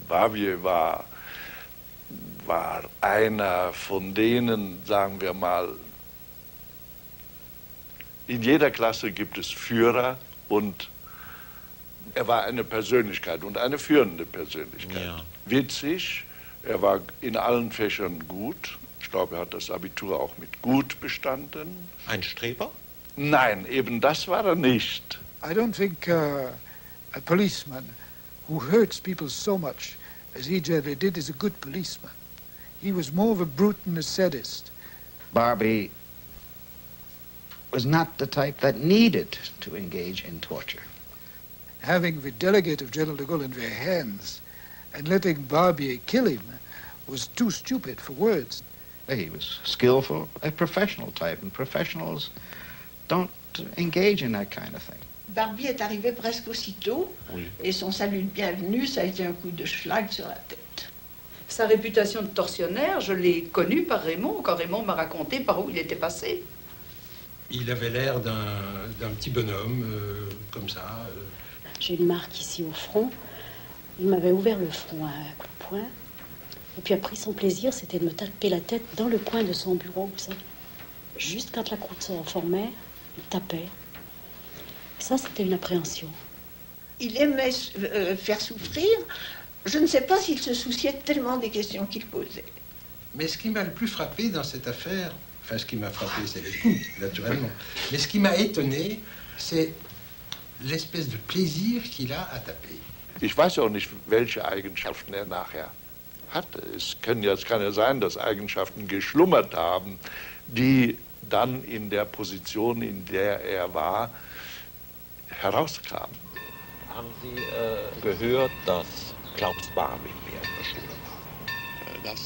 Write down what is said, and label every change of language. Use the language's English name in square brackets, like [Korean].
[German] Barbie war einer von denen, sagen wir mal, in jeder Klasse gibt es Führer und er war eine Persönlichkeit und eine führende Persönlichkeit. Ja. Witzig, er war in allen Fächern gut. Ich glaube, er hat das Abitur auch mit gut bestanden. Ein Streber? Nein, eben das war er nicht. [English] I don't think a policeman who hurts people so much as he generally did is a good policeman. He was more of a brute than a sadist. Barbie was not the type that needed to engage in torture. Having the delegate of General de Gaulle in their hands and letting Barbier kill him was too stupid for words. He was skillful, a professional type, and professionals don't engage in that kind of thing. [French] Barbier est arrivé presque aussitôt, et son salut de bienvenue, ça a été un coup de schlag sur la tête. Sa réputation de tortionnaire, je l'ai connue par Raymond, quand Raymond m'a raconté par où il était passé. Il avait l'air d'un petit bonhomme, comme ça. J'ai une marque ici au front. Il m'avait ouvert le front à un coup de poing. Et puis après, son plaisir, c'était de me taper la tête dans le coin de son bureau, vous savez. Juste quand la croûte se reformait, il tapait. Ça, c'était une appréhension. Il aimait faire souffrir. Je ne sais pas s'il se souciait tellement des questions qu'il posait. Mais ce qui m'a le plus frappé dans cette affaire, enfin, ce qui m'a frappé, c'est le coup, naturellement. Mais ce qui m'a étonné, c'est l'espèce de plaisir qu'il a à taper. [German] Ich weiß auch nicht, welche Eigenschaften nachher hatte. Es kann ja sein, dass Eigenschaften geschlummert haben, die dann in der Position, in der war, herauskamen. Haben Sie gehört, dass Klaus Barbie in der Schule war?